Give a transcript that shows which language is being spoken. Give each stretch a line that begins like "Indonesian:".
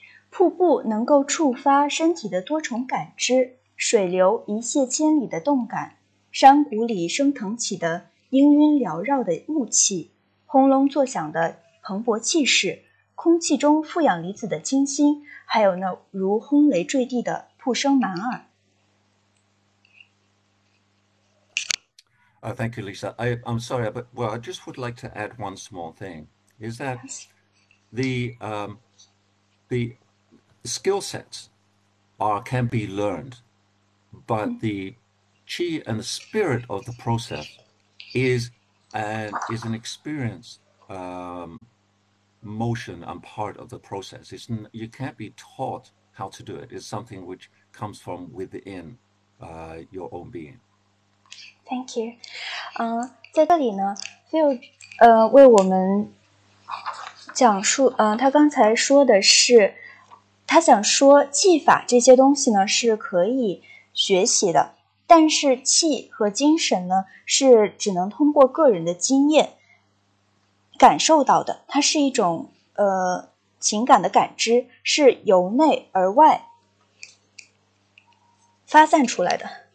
Chinese: 瀑布能够触发身体的多重感知，水流一泻千里的动感，山谷里升腾起的氤氲缭绕的雾气，轰隆作响的蓬勃气势，空气中负氧离子的清新，还有那如轰雷坠地的瀑声满耳。
English: Oh, thank you, Lisa. I'm sorry, but well, I just would like to add one small thing. Is that the skill sets are can be learned, but the chi and the spirit of the process is an experience motion and part of the process. You can't be taught how to do it. It's something which comes from within your own being.
Chinese: Thank you，在这里呢，Phil 为我们讲述，他刚才说的是，他想说技法这些东西呢是可以学习的，但是气和精神呢是只能通过个人的经验感受到的，它是一种情感的感知，是由内而外发散出来的。